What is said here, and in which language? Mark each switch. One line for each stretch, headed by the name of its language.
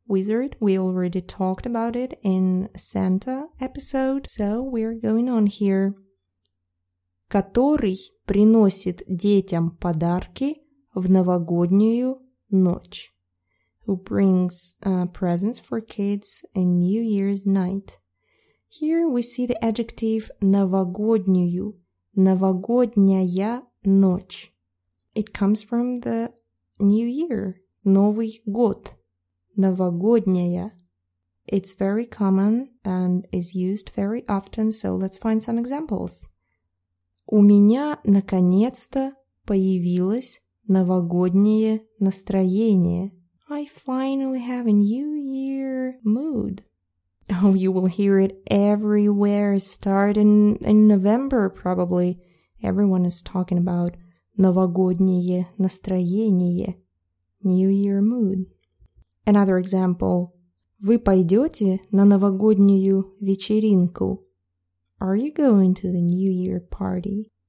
English: Wizard, we already talked about it in Santa episode, so we're going on here.
Russian: Который приносит детям подарки в новогоднюю ночь.
English: who brings presents for kids in New Year's night. Here we see the adjective
Russian: новогоднюю, новогодняя ночь.
English: It comes from the New Year,
Russian: Новый год, новогодняя.
English: It's very common and is used very often, so let's find some examples.
Russian: У меня наконец-то появилось новогоднее настроение.
English: I finally have a New Year mood. Oh, you will hear it everywhere starting in November, probably. Everyone is talking about
Russian: новогоднее настроение,
English: New Year mood. Another example.
Russian: Вы пойдете на новогоднюю вечеринку?
English: Are you going to the New Year party?